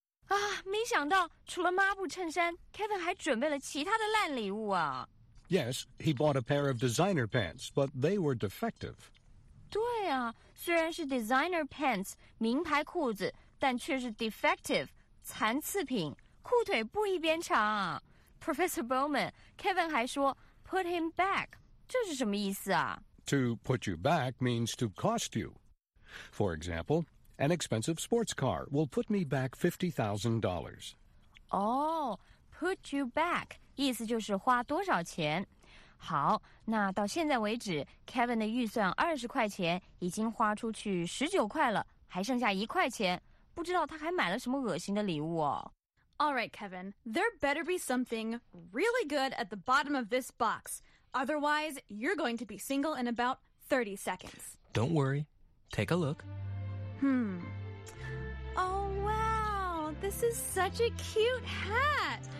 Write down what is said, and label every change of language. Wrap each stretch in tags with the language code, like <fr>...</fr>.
<zh>啊，没想到，除了抹布衬衫，Kevin还准备了其他的烂礼物啊。</zh> <en>Yes, he bought a pair of designer pants, but they were defective.</en> <zh>对啊，虽然是designer pants, 名牌裤子，但却是defective, 残次品，裤腿不一边长。 Professor Bowman, Kevin 还说，</zh> <en>put him back.</en> <zh>这是什么意思啊?</zh> <en>To put you back means to cost you. For example, an expensive sports car will put me back $50,000. Oh, put you back,</en> <zh>意思就是花多少钱。好，那到现在为止，Kevin的预算20块钱已经花出去19块了，还剩下1块钱，不知道他还买了什么恶心的礼物哦。</zh> <en>All right, Kevin, there better be something really good at the bottom of this box. Otherwise, you're going to be single in about 30 seconds. Don't worry. Take a look. Oh, wow. This is such a cute hat.</en>